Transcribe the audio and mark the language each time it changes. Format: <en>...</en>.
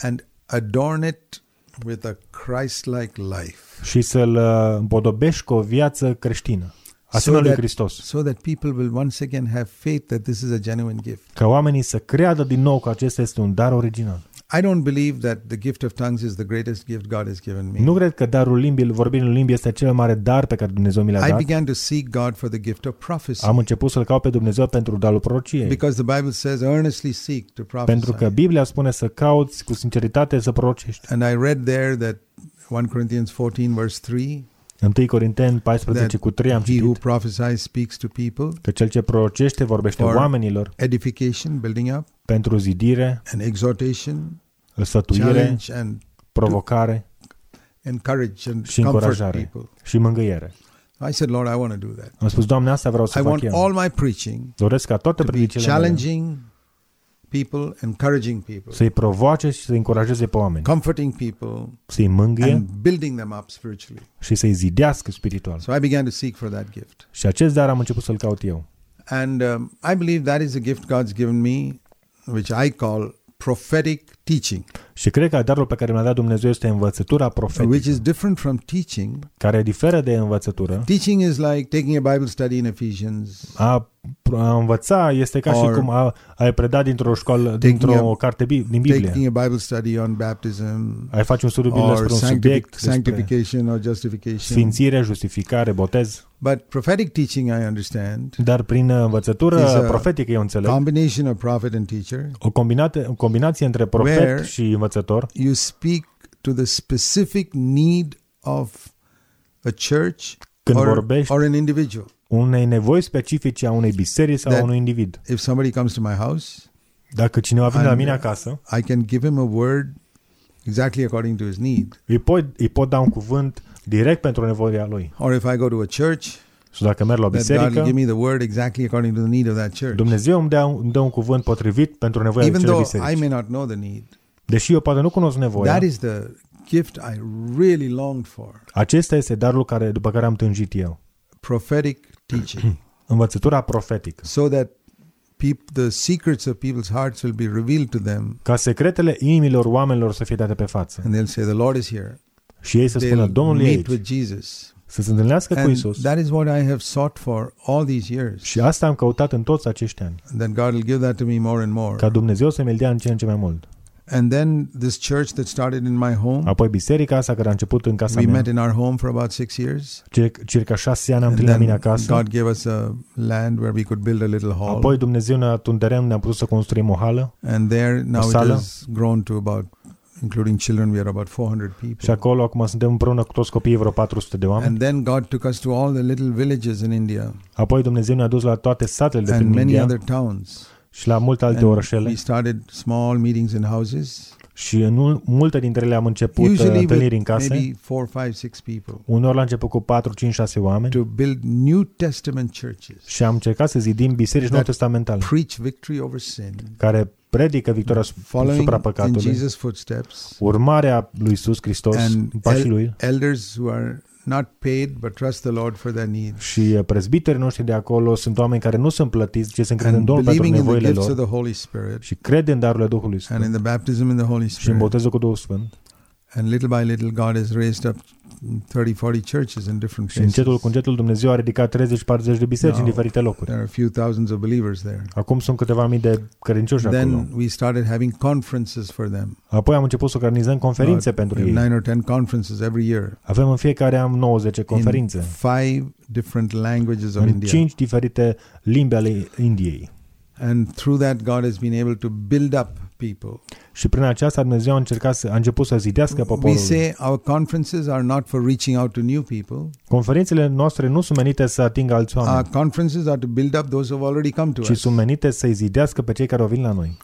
<en>And adorn it with a Christ-like life.</en> <ro>Și să-l împodobești cu o viață creștină.</ro> <en>So that people will once again have faith that this is a genuine gift.</en> <ro>Ca oamenii să creadă din nou că acesta este un dar original.</ro> <en>I don't believe that the gift of tongues is the greatest gift God has given me.</en> <ro>Nu cred că darul limbii, vorbirii în limbi este cel mai mare dar pe care Dumnezeu mi l-a dat.</ro> <en>I began to seek God for the gift of prophecy.</en> <ro>Am început să-l caut pe Dumnezeu pentru darul prorociei.</ro> <en>Because the Bible says earnestly seek to prophesy.</en> <ro>Pentru că Biblia spune să cauți cu sinceritate să prorocești.</ro> <en>And I read there that 1 Corinthians 14 verse 3.</en> <ro>1 Corinteni 14 cu 3 am citit.</ro> <en>He who prophesies speaks to people.</en> <ro>Că cel ce prorocește vorbește oamenilor.</ro> <en>Edification, building up.</en> <ro>Pentru zidire.</ro> <en>And exhortation.</en> <ro>Sfătuire. And provocare.</ro> <en>Encourage and</en> <ro>și încurajare.</ro> <en>People.</en> <ro>Și mângâiere.</ro> <en>I said, Lord, I want to do that.</en> <ro>Am spus, Doamne, asta vreau să</ro> <en>I</en> <ro>fac.</ro> <en>I want all my preaching.</en> <ro>Doresc ca toate predicile mele.</ro> <en>Challenging people, encouraging people.</en> <ro>Să-i provoace și să-i încurajeze pe oameni.</ro> <en>Comforting people.</en> <ro>Să-i mângâie.</ro> <en>And building them up spiritually.</en> <ro>Și să-i zidească spiritual.</ro> <en>So I began to seek for that gift.</en> <ro>Și acest dar am început să-l caut eu.</ro> <en>And I believe that is a gift God's given me, which I call prophetic teaching.</en> <ro>Și cred că darul pe care mi-l-a dat Dumnezeu este învățătura profetică.</ro> <en>Which is different from teaching.</en> <ro>Care diferă de învățătură.</ro> <en>Teaching is like taking a Bible study in Ephesians.</en> <ro>A învăța este ca și cum ai preda dintr-o școală, dintr-o carte din Biblie.</ro> <en>Taking a Bible study on baptism.</en> <ro>Ai face un studiu biblic despre un subiect,</ro> <en>sanctification or justification.</en> <ro>Sfințire, justificare, botez.</ro> <en>But prophetic teaching I understand.</en> <ro>Dar prin învățătură profetică eu înțeleg.</ro> <en>Combination of prophet and teacher.</en> <ro>O combinație între profet și învățător.</ro> <en>You speak to the specific need of a church or an individual.</en> <ro>Unei nevoi specifice a unei biserici sau a unui individ.</ro> <en>If somebody comes to my house,</en> <ro>dacă cineva vine la mine acasă,</ro> <en>I can give him a word exactly according to his need.</en> <ro>Îi pot da un cuvânt direct pentru nevoia lui.</ro> <en>Or if I go to a church,</en> <ro>sau dacă merg la biserică,</ro> <en>God will give me the word exactly according to the need of that church.</en> <ro>Dumnezeu îmi dă un cuvânt potrivit pentru nevoia acelei biserici.</ro> <en>Even though I may not know the need.</en> <ro>Deși eu poate nu cunosc nevoia.</ro> <en>That is the gift I really longed for.</en> <ro>Acesta este darul după care am tânjit eu.</ro> <en>Prophetic teaching.</en> <ro>Învățătura profetică.</ro> <en>So that the secrets of people's hearts will be revealed to them.</en> <ro>Ca secretele inimilor oamenilor să fie date pe față.</ro> <en>And they'll say the Lord is here.</en> <ro>Și ei să spună Domnul e aici.</ro> <en>With Jesus.</en> <ro>Să se întâlnească</ro> <en>and</en> <ro>cu Isus.</ro> <en>That is what I have sought for all these years.</en> <ro>Și asta am căutat în toți acești ani.</ro> <en>And then God will give that to me more and more.</en> <ro>Ca Dumnezeu să mi-l dea în ce în ce mai mult.</ro> <en>And then this church that started in my home.</en> <ro>Apoi biserica asta care a început în casa</ro> <en>mea. We met in our home for about 6 years.</en> <ro>Circa 6 ani am trăit la mine acasă.</ro> <en>God gave us a land where we could build a little hall.</en> <ro>Apoi Dumnezeu ne-a dat un teren, ne-a putut să construim o hală.</ro> <en>And there now it has grown to about, including children, we are about 400 people.</en> <ro>Și acolo acum suntem împreună cu toți copiii, vreo 400 de oameni.</ro> <en>And then God took us to all the little villages in India.</en> <ro>Apoi Dumnezeu ne-a dus la toate satele din India.</ro> <en>And many other towns.</en> <ro>Și la multe alte orășele.</ro> <en>We started small meetings in houses.</en> <ro>Și în multe dintre ele am început</ro> <en>usually</en> <ro>întâlniri în case.</ro> <en>Maybe 4, 5, 6 people.</en> <ro>Unor la început cu 4, 5, 6 oameni.</ro> <en>To build New Testament churches.</en> <ro>Și am încercat să zidim biserici nou testamentale.</ro> <en>Preach victory over sin.</en> <ro>Care predică victoria asupra păcatului.</ro> <en>In Jesus' footsteps.</en> <ro>Urmarea lui Iisus Hristos, pașii lui.</ro> <en>Elders who are not paid but trust the Lord for their needs.</en> <ro>Și prezbiterii noștri de acolo sunt oameni care nu sunt plătiți, ci se încred în Domnul pentru nevoile lor. Și cred în darurile Duhului Sfânt.</ro> <en>And in the baptism in the Holy Spirit.</en> <ro>Și în botezul cu Duhul Sfânt.</ro> <en>And little by little God has raised up 30-40 churches in different places.</en> <ro>Și încetul cu încetul Dumnezeu a ridicat 30-40 de biserici în diferite locuri.</ro> <en>There are a few thousands of believers there.</en> <ro>Acum sunt câteva mii de credincioși acolo.</ro> <en>Then we started having conferences for them.</en> <ro>Apoi am început să organizăm conferințe pentru ei.</ro> <en>9 or 10 conferences every year.</en> <ro>Avem în fiecare an 9-10 conferințe.</ro> <en>In 5 different languages of India.</en> <ro>În 5 diferite limbi ale Indiei.</ro> <en>And through that God has been able to build up people.</en> <ro>Și prin aceasta Dumnezeu a început să zidească poporul.</ro> <en>We say our conferences are not for reaching out to new people.</en> <ro>Conferințele noastre nu sunt menite să atingă alți oameni.</ro> <en>Our conferences are to build up those who have already come to us.</en> <ro>Și sunt menite să îi zidească pe cei care au venit la noi.</ro>